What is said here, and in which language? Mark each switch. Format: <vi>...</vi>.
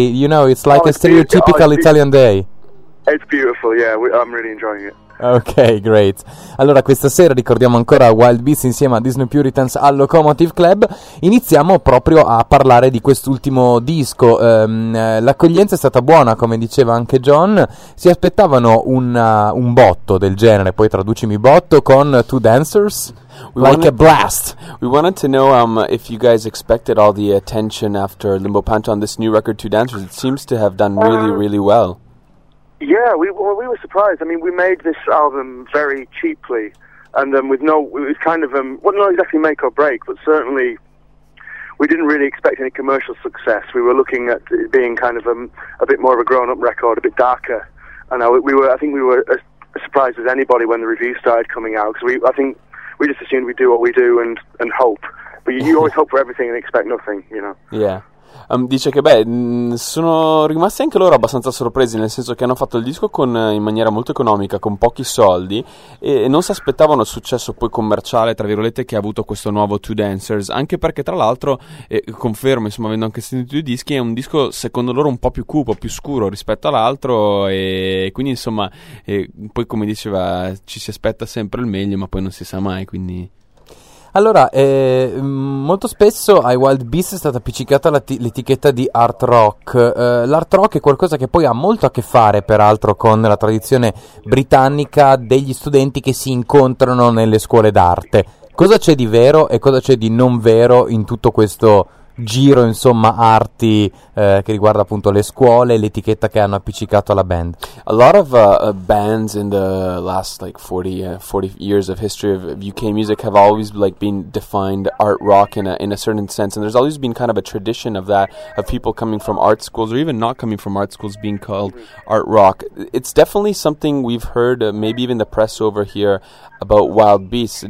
<en>You know, it's like a stereotypical Italian day. It's beautiful. Yeah, I'm really enjoying it. Ok, great.</en> <it>Allora, questa sera ricordiamo ancora Wild Beast insieme a Disney Puritans al Locomotive Club. Iniziamo proprio a parlare di quest'ultimo disco. L'accoglienza è stata buona, come diceva anche John. Si aspettavano un botto del genere, poi traducimi botto, con Two Dancers?</it> <en>We wanted to know if you guys expected all the attention after Limbo Panto on this new record, Two Dancers. It seems to have done really, really well. Yeah, we were surprised. I mean, we made this album very cheaply, and then not exactly make or break, but certainly we didn't really expect any commercial success. We were looking at it being kind of a bit more of a grown-up record, a bit darker. And I think we were as surprised as anybody when the reviews started coming out, because I think we just assumed we'd do what we do and hope. But you always hope for everything and expect nothing, you know. Yeah.</en> <it>Dice che sono rimasti anche loro abbastanza sorpresi, nel senso che hanno fatto il disco in maniera molto economica, con pochi soldi, e non si aspettavano il successo poi commerciale, tra virgolette, che ha avuto questo nuovo Two Dancers, anche perché tra l'altro, confermo, insomma, avendo anche sentito i dischi, è un disco secondo loro un po' più cupo, più scuro rispetto all'altro, e quindi insomma, poi come diceva, ci si aspetta sempre il meglio, ma poi non si sa mai, quindi... Allora, molto spesso ai Wild Beast è stata appiccicata l'etichetta di art rock. L'art rock è qualcosa che poi ha molto a che fare, peraltro, con la tradizione britannica degli studenti che si incontrano nelle scuole d'arte. Cosa c'è di vero e cosa c'è di non vero in tutto questo giro, insomma, arti che riguarda appunto le scuole e l'etichetta che hanno appiccicato alla band?</it> <en>A lot of bands in the last like 40 years of history of UK music have always like been defined art rock in a certain sense, and there's always been kind of a tradition of that, of people coming from art schools or even not coming from art schools being called art rock. It's definitely something we've heard, maybe even the press over here, about Wild Beast.</en>